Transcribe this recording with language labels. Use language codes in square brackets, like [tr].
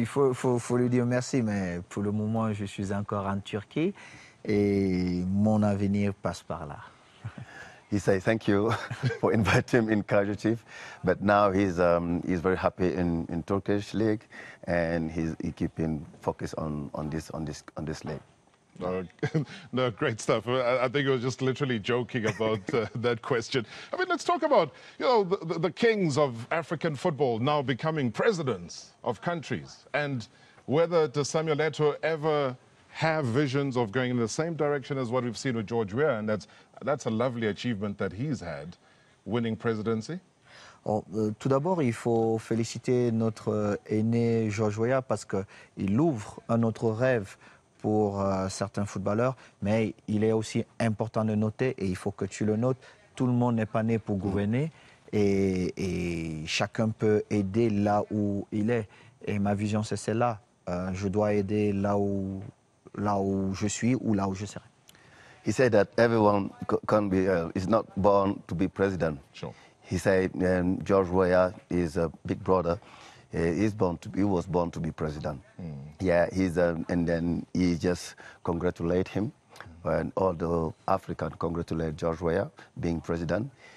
[fr] Il faut lui dire merci, mais pour le moment, je suis encore en Turquie et mon avenir passe par là. [en] He says thank you for inviting him in Kaizer Chiefs, but now he's very happy in Turkish league and he keeping focus on this league. No, great stuff. I think it was just literally joking about that question. I mean, let's talk about, you know, the kings of African football now becoming presidents of countries. And whether does Samuel Eto'o ever have visions of going in the same direction as what we've seen with George Weah? And that's a lovely achievement that he's had, winning presidency. [fr] Oh, tout d'abord, il faut féliciter notre aîné George Weah parce qu'il ouvre un autre rêve pour certains footballeurs, mais il est aussi important de noter, et il faut que tu le notes, tout le monde n'est pas né pour gouverner, et chacun peut aider là où il est. Et ma vision, c'est celle-là. Je dois aider là où je suis ou là où je serai. [en] He said that everyone can't be, is not born to be president. Sure. He said George Weah is a big brother. He was born to be president. Mm. Yeah, and then he just congratulate him, and all the African congratulate George Weah being president.